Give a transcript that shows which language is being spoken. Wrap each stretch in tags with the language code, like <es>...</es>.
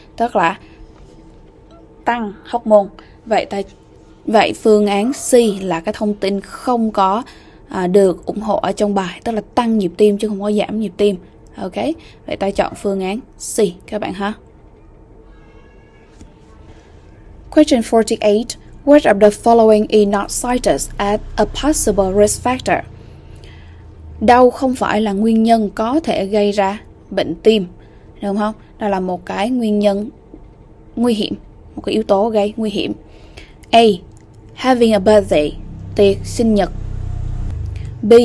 <vi>Tức là tăng hormone. Vậy phương án C là cái thông tin không có được ủng hộ ở trong bài, tức là tăng nhịp tim chứ không có giảm nhịp tim. Ok, vậy ta chọn phương án C các bạn ha.</vi> <en>Question 48. Which of the following is not cited as a possible risk factor?</en> <vi>Đau không phải là nguyên nhân có thể gây ra bệnh tim, đúng không? Đó là một cái nguyên nhân nguy hiểm, một cái yếu tố gây nguy hiểm. A.</vi> <en>Having a birthday,</en> <vi>tiệc sinh nhật.</vi> <en>B.</en>